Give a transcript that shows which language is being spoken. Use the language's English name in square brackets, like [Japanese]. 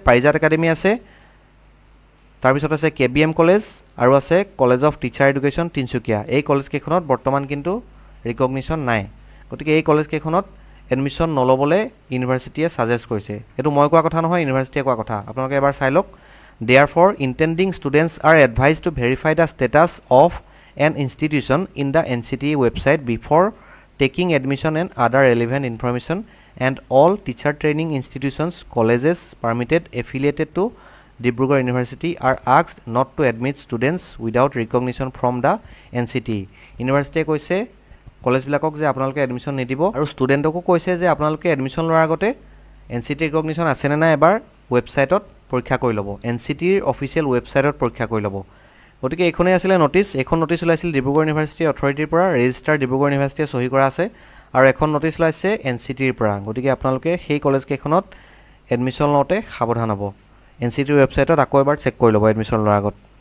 [Assamese] পাৰিজাত academy আছে, তাৰপিছত আছে কে বি এম কলেজ, আৰু আছে college of teacher education Tinsukia. এই কলেজকেইখনত বৰ্তমান কিন্তু ৰিকগনিশ্যন নাই, গতিকে এই কলেজকেইখনত এডমিশ্যন নল'বলৈ ইউনিভাৰ্চিটিয়ে ছাজেষ্ট কৰিছে। এইটো মই কোৱা কথা নহয়, ইউনিভাৰ্চিটিয়ে কোৱা কথা, আপোনালোকে এবাৰ চাই লওক। [English] Therefore, intending students are advised to verify the status of an institution in the NCTE website before taking admission and other relevant information, and all teacher training institutions, colleges permitted affiliated to Dibrugarh University are asked not to admit students without recognition from the NCTE. [Assamese] University koise college bilakok je apnaloke admission nidibo aru studentoku koise je apnaloke admission lora agote NCTE recognition ase na ebar website পৰীক্ষা কৰি ল'ব, N C টিৰ official ৱেবচাইটত পৰীক্ষা কৰি ল'ব। গতিকে এইখনেই আছিলে নটিচ, এখন নটিচ ওলাইছিল ডিব্ৰুগড় ইউনিভাৰ্চিটিৰ অথৰিটিৰ পৰা, ৰেজিষ্টাৰ ডিব্ৰুগড় ইউনিভাৰ্চিটিয়ে চহী কৰা আছে, আৰু এখন নটিচ ওলাইছে এন চি টিৰ পৰা। গতিকে আপোনালোকে সেই কলেজকেইখনত এডমিশ্যন লওঁতে সাৱধান হ'ব, এন চি টিৰ ৱেবচাইটত আকৌ এবাৰ চেক কৰি ল'ব এডমিশ্যন লোৱাৰ আগত।